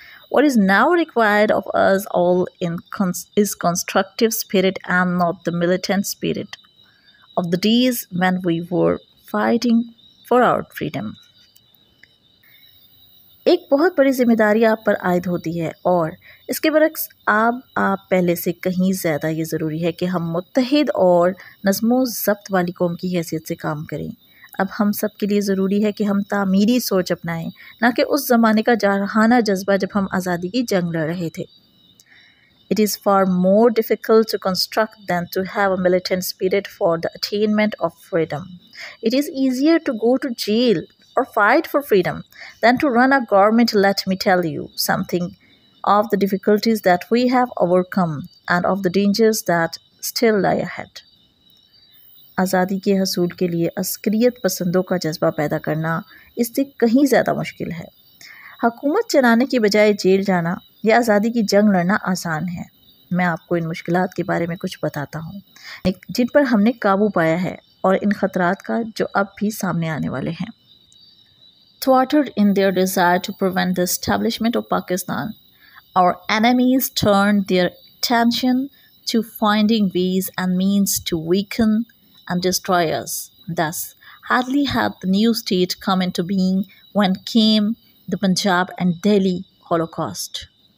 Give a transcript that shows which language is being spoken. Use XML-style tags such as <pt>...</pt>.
<en>What is now required of us all is constructive spirit and not the militant spirit of the days when we were fighting for our freedom.</en> <ur>ایک بہت بڑی ذمہ داری آپ پر عائد ہوتی ہے اور اس کے برعکس آپ پہلے سے کہیں زیادہ یہ ضروری ہے کہ ہم متحد اور نظم و ضبط والی قوم کی حیثیت سے کام کریں. اب ہم سب کے لیے ضروری ہے کہ ہم تعمیری سوچ اپنائیں، نہ کہ اس زمانے کا جارحانہ جذبہ جب ہم آزادی کی جنگ لڑ رہے تھے.</ur> <en>It is far more difficult to construct than to have a militant spirit for the attainment of freedom. It is easier to go to jail اور fight for freedom than to run a government. Let me tell you something of the difficulties that we have overcome and of the dangers that still lie ahead.</en> <ur>آزادی کے حصول کے لیے عسکریت پسندوں کا جذبہ پیدا کرنا اس سے کہیں زیادہ مشکل ہے. حکومت چلانے کی بجائے جیل جانا یا آزادی کی جنگ لڑنا آسان ہے. میں آپ کو ان مشکلات کے بارے میں کچھ بتاتا ہوں جن پر ہم نے قابو پایا ہے اور ان خطرات کا جو اب بھی سامنے آنے والے ہیں.</ur> <en>Thwarted in their desire to prevent the establishment of Pakistan, our enemies turned their attention to finding ways and means to weaken and destroy us. Thus, hardly had the new state come into being when came the Punjab and Delhi Holocaust.</en>